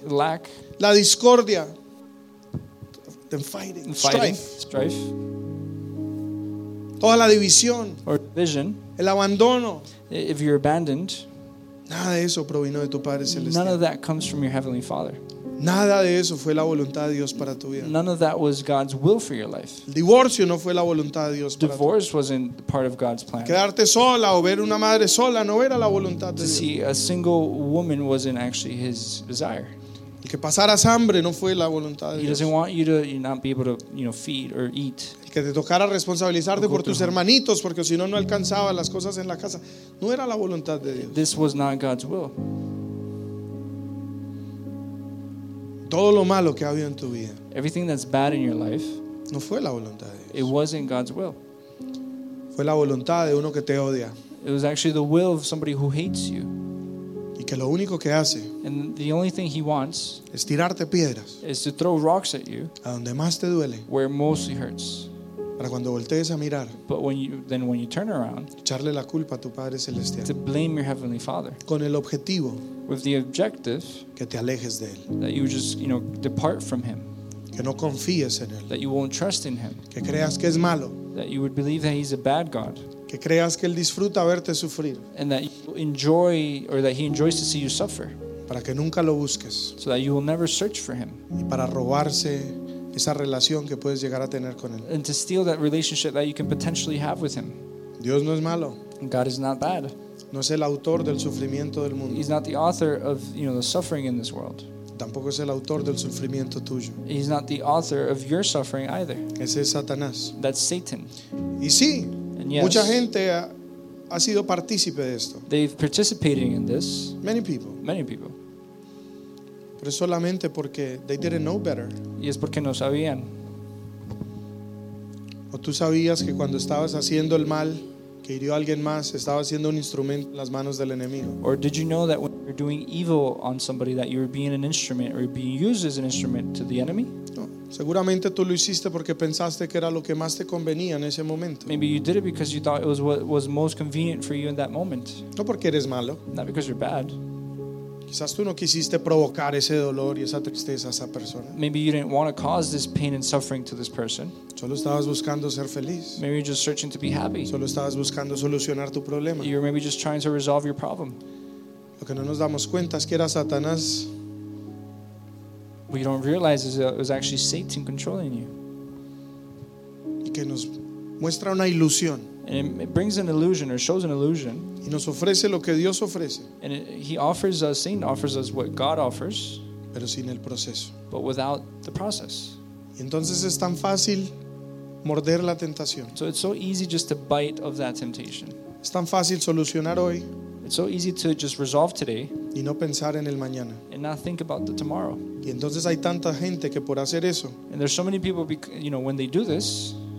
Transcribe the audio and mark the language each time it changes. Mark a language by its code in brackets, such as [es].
[en] Lack. [es] La discordia. [en] The fighting. Strife. [es] Toda la división. [en] Or division. [es] El abandono. [en] If you're abandoned. [es] Nada de eso provino de tu Padre Celestial. [en] None of that comes from your Heavenly Father. [es] Nada de eso fue la voluntad de Dios para tu vida. [en] None of that was God's will for your life. [es] El divorcio no fue la voluntad de Dios. [en] Divorce wasn't part of God's plan. [es] Quedarte sola o ver una madre sola no era la voluntad de Dios. [en] See, a single woman wasn't actually his desire. [es] El que pasaras hambre no fue la voluntad de Dios. [en] He doesn't want you to not be able to, you know, feed or eat. [es] Que te tocara responsabilizarte por tus hermanitos, porque si no, no alcanzaba las cosas en la casa. No era la voluntad de Dios. [en] This was not God's will. [es] Todo lo malo que ha habido en tu vida. [en] Everything that's bad in your life. [es] No fue la voluntad de Dios. [en] It wasn't God's will. [es] Fue la voluntad de uno que te odia. [en] It was actually the will of somebody who hates you. [es] Y que lo único que hace. [en] And the only thing he wants. [es] Es tirarte piedras. [en] Is to throw rocks at you. [es] A donde más te duele. [en] Where mostly hurts. [es] Para cuando voltees a mirar. [en] But when you turn around. [es] Echarle la culpa a tu Padre Celestial. [en] To blame your Heavenly Father. [es] Con el objetivo. [en] With the objective. [es] Que te alejes de él. [en] That you just, you know, depart from him. [es] Que no confíes en él. [en] That you won't trust in him. [es] Que creas que es malo. [en] That you would believe that he's a bad God. [es] Que creas que él disfruta verte sufrir. [en] And that you enjoy, or that he enjoys to see you suffer. [es] Para que nunca lo busques. [en] So that you will never search for him. [es] Y para robarse esa relación que puedes llegar a tener con él. [en] And to steal that relationship that you can potentially have with him. [es] Dios no es malo. [en] God is not bad. [es] No es el autor del sufrimiento del mundo. [en] He's not the author of, you know, the suffering in this world. [es] Tampoco es el autor del sufrimiento tuyo. [en] He's not the author of your suffering either. [es] Ese es Satanás. [en] That's Satan. [es] Y sí. [en] Yes, [es] mucha gente ha sido partícipe de esto. [en] They've participated in this. Many people. Many people. [es] Pero solamente porque [en] they didn't know better. [es] Y es porque no sabían. O tú sabías que cuando estabas haciendo el mal que hirió a alguien más, estabas siendo un instrumento en las manos del enemigo. [en] Or did you know that when you're doing evil on somebody, that you're being an instrument or being used as an instrument to the enemy? [es] No. Seguramente tú lo hiciste porque pensaste que era lo que más te convenía en ese momento. [en] Maybe you did it because you thought it was what was most convenient for you in that moment. [es] No porque eres malo. [en] Not because you're bad. [es] Quizás tú no quisiste provocar ese dolor y esa tristeza a esa persona. [en] Maybe you didn't want to cause this pain and suffering to this person. [es] Solo estabas buscando ser feliz. [en] Maybe you're just searching to be happy. [es] Solo estabas buscando solucionar tu problema. [en] You're maybe just trying to resolve your problem. [es] Lo que no nos damos cuenta es que era Satanás. [en] What you don't realize is it was actually Satan controlling you. [es] Y que nos muestra una ilusión. [en] And it brings an illusion or shows an illusion. [es] Y nos ofrece lo que Dios ofrece. [en] And he offers us, Satan offers us what God offers. [es] Pero sin el proceso. [en] But without the process. [es] Y entonces es tan fácil morder la tentación. [en] So it's so easy just to bite of that temptation. [es] Es tan fácil solucionar hoy. [en] It's so easy to just resolve today. [es] Y no pensar en el mañana. [en] And not think about the tomorrow. [es] Y entonces hay tanta gente que por hacer eso. [en] And there's so many people, you know, when they do this.